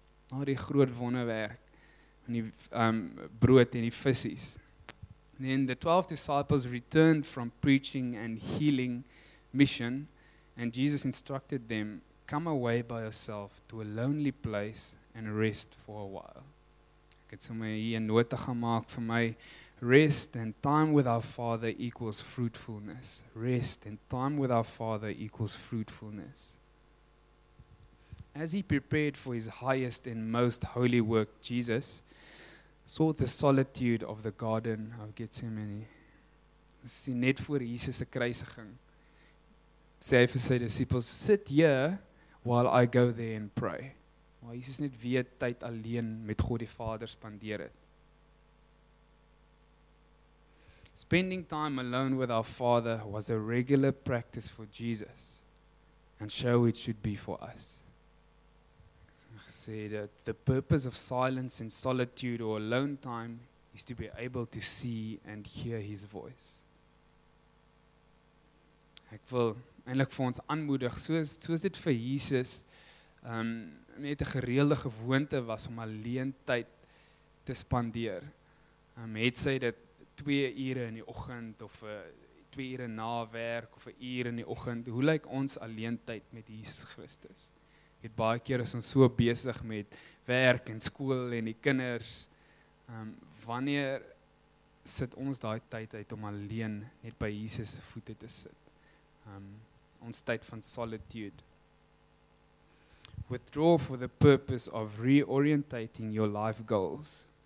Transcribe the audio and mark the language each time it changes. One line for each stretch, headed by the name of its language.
Afrikaans: Na die groot wonderwerk van die brood en die visies.
English: Then the 12 disciples returned from preaching and healing mission, and Jesus instructed them, come away by yourself to a lonely place and rest for a while.
Afrikaans: Ek het sommer hier 'n nota gemaak vir my.
English: Rest and time with our Father equals fruitfulness. Rest and time with our Father equals fruitfulness. As he prepared for his highest and most holy work, Jesus sought the solitude of the Garden of Gethsemane.
Afrikaans: Sien net voor Jesus se kruisiging. Sê hy vir sy
English: disciples, sit here while I go there and pray.
Afrikaans: Maar Jesus net weer tyd alleen met God die Vader spandeer het.
English: Spending time alone with our Father was a regular practice for Jesus, and so it should be for us. Say that the purpose of silence and solitude or alone time is to be able to see and hear his voice.
Afrikaans: Ek wil eintlik vir ons aanmoedig, soos dit vir Jesus met 'n gereelde gewoonte was om alleen tyd te spandeer. Het sy dit 2 ure in die oggend of 2 ure na werk of 1 uur in die oggend, hoe lyk ons alleen tyd met Jesus Christus? Het baie keer is ons so besig met werk en skool en die kinders. Wanneer sit ons daai tyd uit om alleen net by Jesus se voete te sit? Ons tyd van solitude.
English: Withdraw for the purpose of reorientating your life goals.